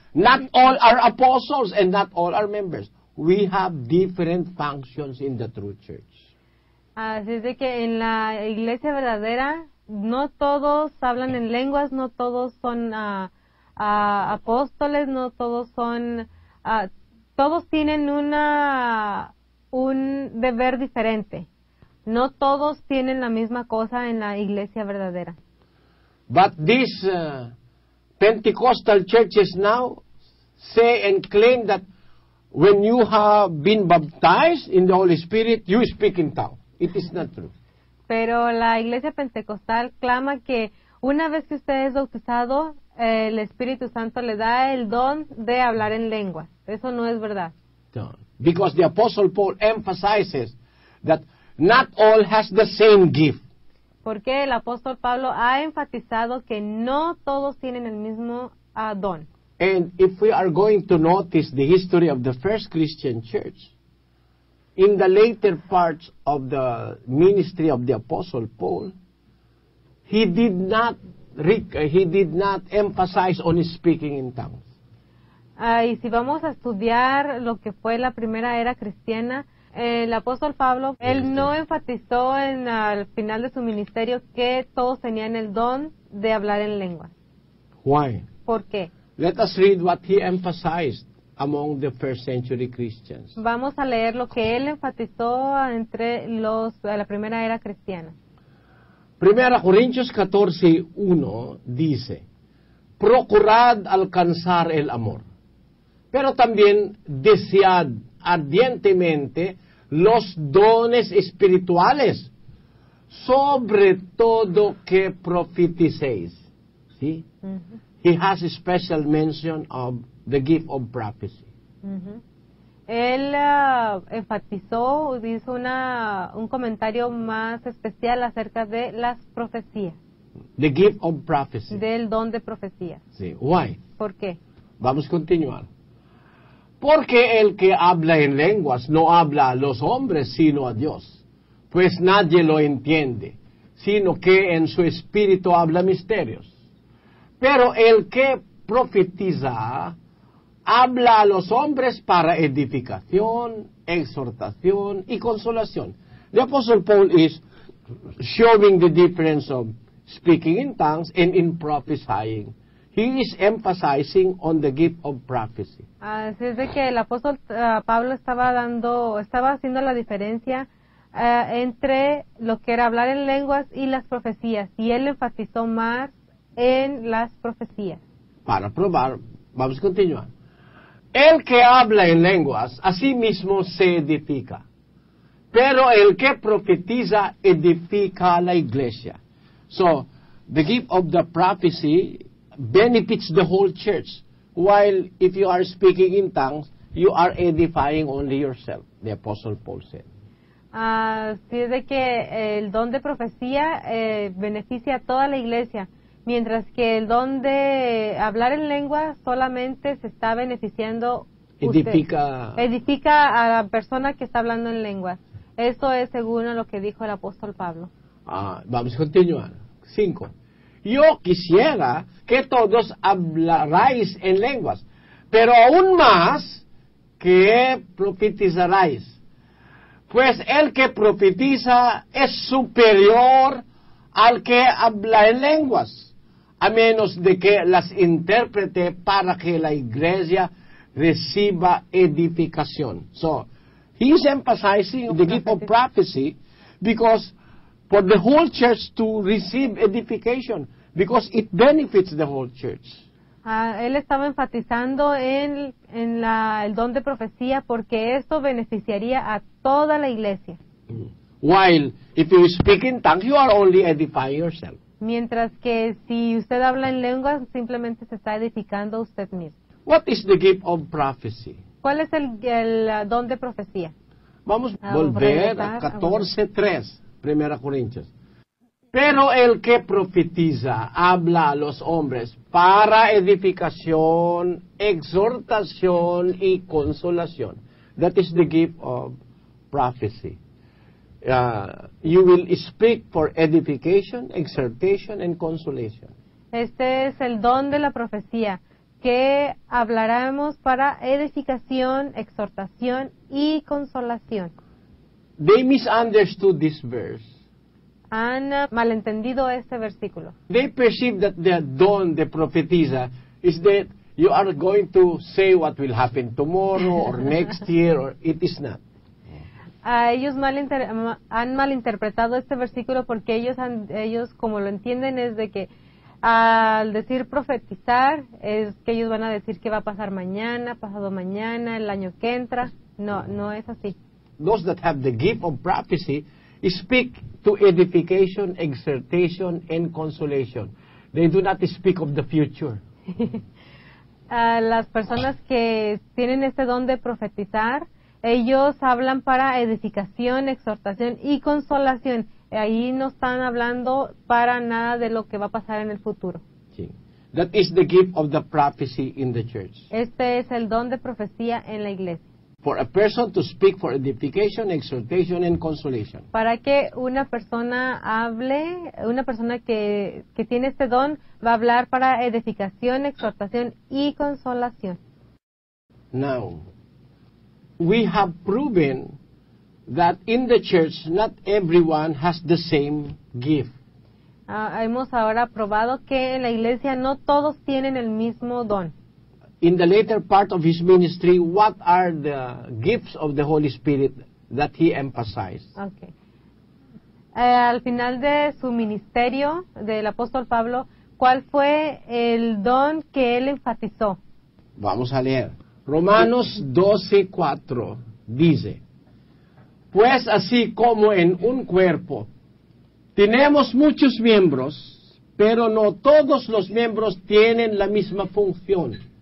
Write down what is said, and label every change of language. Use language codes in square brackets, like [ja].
[en] Not all are apostles and not all are members. We have different functions in the true church. [es] Así es de que en la iglesia verdadera, no todos hablan en lenguas, no todos son apóstoles, no todos son... todos tienen un deber diferente. No todos tienen la misma cosa en la iglesia verdadera. [en] But these Pentecostal churches now say and claim that when you have been baptized in the Holy Spirit, you speak in tongues. It is not true. [es] Pero la iglesia pentecostal clama que una vez que usted es bautizado, el Espíritu Santo le da el don de hablar en lenguas. Eso no es verdad. No. [en] Because the Apostle Paul emphasizes that not all has the same gift. [es] Porque el apóstol Pablo ha enfatizado que no todos tienen el mismo don. [en] And if we are going to notice the history of the first Christian church, in the later parts of the ministry of the apostle Paul, he did not emphasize on speaking in tongues. [es] Y si vamos a estudiar lo que fue la primera era cristiana, el apóstol Pablo, él no enfatizó en al final de su ministerio que todos tenían el don de hablar en lenguas. [en] Why? [es] ¿Por qué? [en] Let us read what he emphasized among the first century Christians. [es] Vamos a leer lo que él enfatizó entre los de la primera era cristiana. Primera Corintios 14:1 dice, procurad alcanzar el amor, pero también desead ardientemente los dones espirituales, sobre todo que profeticéis. ¿Sí? Uh-huh. [en] He has a special mention of the gift of prophecy. Uh-huh. [es] Él enfatizó, hizo un comentario más especial acerca de las profecías. [en] The gift of prophecy. [es] Del don de profecía. Sí. [en] Why? [es] ¿Por qué? Vamos a continuar. Porque el que habla en lenguas no habla a los hombres, sino a Dios. Pues nadie lo entiende, sino que en su espíritu habla misterios. Pero el que profetiza habla a los hombres para edificación, exhortación y consolación. [en] The Apostle Paul is showing the difference of speaking in tongues and in prophesying. He is emphasizing on the gift of prophecy. [es] Así es de que el apóstol Pablo estaba haciendo la diferencia entre lo que era hablar en lenguas y las profecías, y él enfatizó más en las profecías. Para probar, vamos a continuar. El que habla en lenguas, a sí mismo se edifica. Pero el que profetiza, edifica a la iglesia. [en] So, the gift of the prophecy benefits the whole church. While if you are speaking in tongues, you are edifying only yourself, the Apostle Paul said. [es] Así es de que el don de profecía beneficia a toda la iglesia. Mientras que el don de hablar en lengua solamente se está beneficiando usted. Edifica. Edifica a la persona que está hablando en lengua. Eso es según lo que dijo el apóstol Pablo. Vamos a continuar. 5. Yo quisiera que todos hablarais en lenguas, pero aún más que profetizarais. Pues el que profetiza es superior al que habla en lenguas, a menos de que las intérprete para que la iglesia reciba edificación. [en] So, he's emphasizing the gift of prophecy because for the whole church to receive edification, because it benefits the whole church. [es] Él estaba enfatizando en el don de profecía porque esto beneficiaría a toda la iglesia. [en] While if you speak in tongues, you are only edifying yourself. [es] Mientras que si usted habla en lenguas, simplemente se está edificando usted mismo. [en] What is the gift of prophecy? [es] ¿Cuál es el don de profecía? Vamos a volver a 14:3, 1 Corintios. Pero el que profetiza habla a los hombres para edificación, exhortación y consolación. [en] That is the gift of prophecy. You will speak for edification, exhortation, and consolation. [es] Este es el don de la profecía, que hablaremos para edificación, exhortación y consolación. [en] They misunderstood this verse. [es] Han malentendido este versículo. [en] They perceive that the don, the prophetiza, is that you are going to say what will happen tomorrow or next year, or it is not. [es] Ellos han malinterpretado este versículo porque ellos como lo entienden es de que al decir profetizar es que ellos van a decir qué va a pasar mañana, pasado mañana, el año que entra. No es así. [en] Those that have the gift of prophecy speak to edification, exhortation and consolation. They do not speak of the future. [es] Las personas que tienen este don de profetizar, ellos hablan para edificación, exhortación y consolación. Ahí no están hablando para nada de lo que va a pasar en el futuro. Sí. [en] That is the gift of the prophecy in the church. [es] Este es el don de profecía en la iglesia. [en] For a person to speak for edification, exhortation and consolation. [es] Para que una persona hable, una persona que tiene este don va a hablar para edificación, exhortación y consolación. [en] Now, we have proven that in the church, not everyone has the same gift. [es] Hemos ahora probado que en la iglesia no todos tienen el mismo don. [en] In the later part of his ministry, what are the gifts of the Holy Spirit that he emphasized? Okay. [es] Al final de su ministerio, del apóstol Pablo, ¿cuál fue el don que él enfatizó? Vamos a leer. Romanos 12:4 dice, pues así como en un cuerpo tenemos muchos miembros, pero no todos los miembros tienen la misma función.